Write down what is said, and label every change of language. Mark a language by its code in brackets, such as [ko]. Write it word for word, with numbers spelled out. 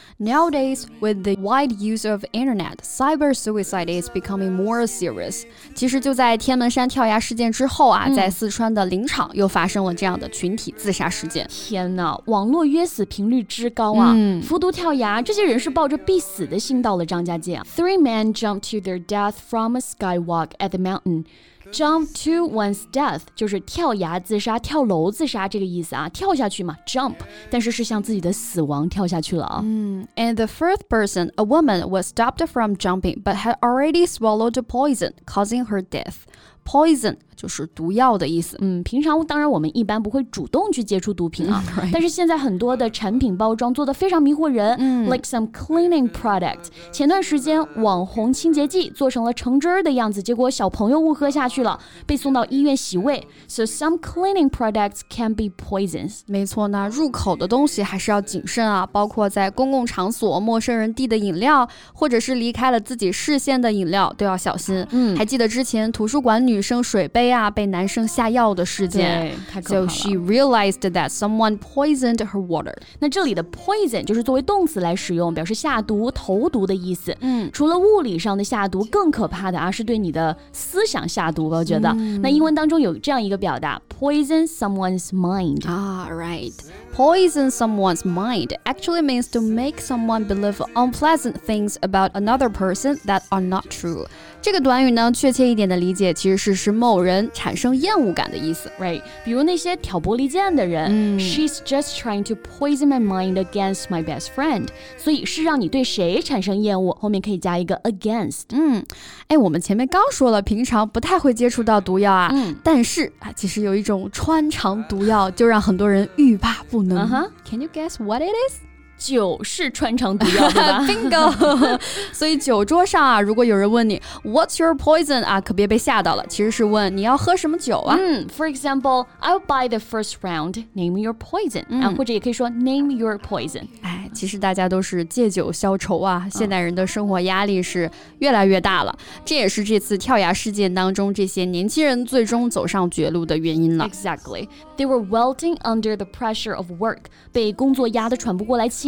[en] Nowadays, with the wide use of internet, cyber suicide is becoming more serious. [zh] 其实就在天门山跳崖事件之后啊，嗯、在四川的林场又发生了这样的群体自杀事件。天哪，网络约死频率之高啊！嗯、服毒跳崖，这些人是抱着必死的心到了张家界。 [en] Three men jumped to their death from a skywalk at the mountain. Jump to one's death [zh] 就是跳崖自杀、跳楼自杀这个意思啊，跳下去嘛 ，jump， 但是是向自己的死亡跳下去了啊。 [en] 嗯、and the first person, a woman, was stopped from jumping, but had already swallowed poison, causing her death. [zh] Poison 就是毒药的意思。嗯，平常当然我们一般不会主动去接触毒品啊， right. 但是现在很多的产品包装做得非常迷惑人、嗯、， [en] like some cleaning product。 [zh] 前段时间网红清洁剂做成了橙汁的样子，结果小朋友误喝下去了，被送到医院洗胃。 [en] So some cleaning products can be poisons。 [zh] 没错呢，入口的东西还是要谨慎啊，包括在公共场所、陌生人递的饮料，或者是离开了自己视线的饮料都要小心。嗯，还记得之前图书馆女。女生水杯啊被男生下药的事件，太可怕了。 [en] So she realized that someone poisoned her water. [zh] 那这里的 poison 就是作为动词来使用，表示下毒、投毒的意思。嗯，除了物理上的下毒，更可怕的啊是对你的思想下毒吧，我觉得。嗯、那英文当中有这样一个表达 ， [en] poison someone's mind. 啊 right. Poison someone's mind actually means to make someone believe unpleasant things about another person that are not true. [zh] 这个短语呢，确切一点的理解其实是。使某人产生厌恶感的意思 right 比如那些挑拨离间的人、嗯、 [en] She's just trying to poison my mind against my best friend [zh] 所以是让你对谁产生厌恶后面可以加一个 against 嗯，哎，我们前面刚说了平常不太会接触到毒药啊、嗯、但是啊，其实有一种穿肠毒药就让很多人欲罢不能、uh-huh. [en] Can you guess what it is? [zh] 酒是穿肠毒药，对吧？Bingo！ 所以酒桌上啊，如果有人问你 [en] What's your poison [zh] 啊，可别被吓到了，其实是问你要喝什么酒啊。 [en] 嗯 ，For example, I'll buy the first round. Name your poison、嗯、啊， [zh] 或者也可以说 [en] Name your poison。 [zh] 哎，其实大家都是借酒消愁啊。现代人的生活压力是越来越大了，这也是这次跳崖事件当中这些年轻人最终走上绝路的原因了。 [en] Exactly. They were welting under the pressure of work. [zh] 被工作压得喘不过来气。